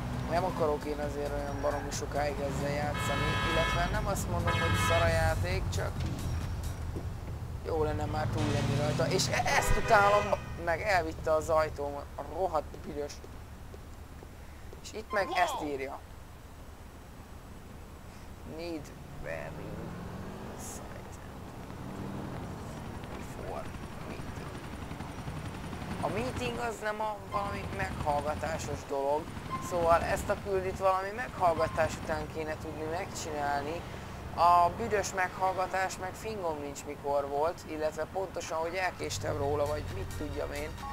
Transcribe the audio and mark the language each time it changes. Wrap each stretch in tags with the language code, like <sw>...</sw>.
<hu>Nem akarok én azért olyan baromi sokáig ezzel játszani, illetve nem azt mondom, hogy szar a játék, csak jó lenne már túl lenni rajta, és ezt utálom, meg elvitte az ajtóm a rohadt piros. És itt meg ezt írja.</hu> <en>Need very excited before meeting.</en> <hu>A meeting az nem a valami meghallgatásos dolog, szóval ezt a küldit valami meghallgatás után kéne tudni megcsinálni. A büdös meghallgatás meg fingom nincs mikor volt, illetve pontosan, hogy elkéstem róla, vagy mit tudjam én.</hu>